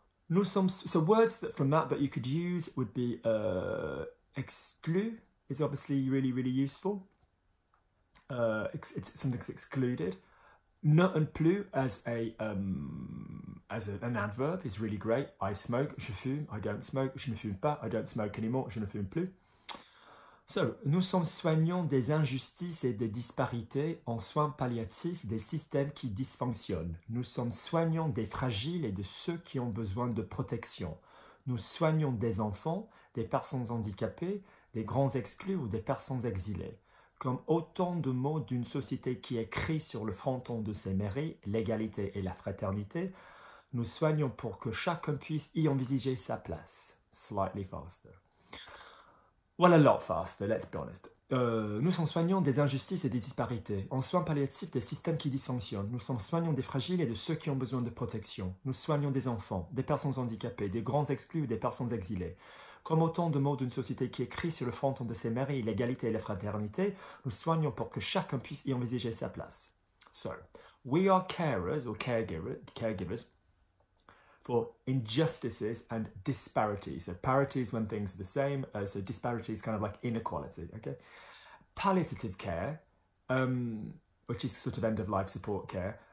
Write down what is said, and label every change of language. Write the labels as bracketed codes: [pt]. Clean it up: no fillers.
[fr] Nous sommes, [en] so words that from that you could use would be exclu is obviously really, really useful. It's something's excluded. Ne and plus as an adverb is really great. I smoke, [fr] je fume, [en] I don't smoke, [fr] je ne fume pas, [en] I don't smoke anymore, [fr] je ne fume plus. So, nous sommes soignants des injustices et des disparités en soins palliatifs des systèmes qui dysfonctionnent. Nous sommes soignants des fragiles et de ceux qui ont besoin de protection. Nous soignons des enfants, des personnes handicapées, des grands exclus ou des personnes exilées. Comme autant de mots d'une société qui écrit sur le fronton de ses mairies, l'égalité et la fraternité, nous soignons pour que chacun puisse y envisager sa place. [en] Slightly faster. Well, a lot faster, let's be honest. [fr] Nous sommes soignants des injustices et des disparités. En soins palliatifs, des systèmes qui dysfonctionnent. Nous sommes soignants des fragiles et de ceux qui ont besoin de protection. Nous soignons des enfants, des personnes handicapées, des grands exclus ou des personnes exilées. Comme autant de mots d'une société qui écrit sur le fronton de ses mairies l'égalité et la fraternité, nous soignons pour que chacun puisse y envisager sa place. [en] So, we are carers or caregivers for injustices and disparities. So parity is when things are the same. So disparity is kind of like inequality, okay? Palliative care, which is sort of end of life support care,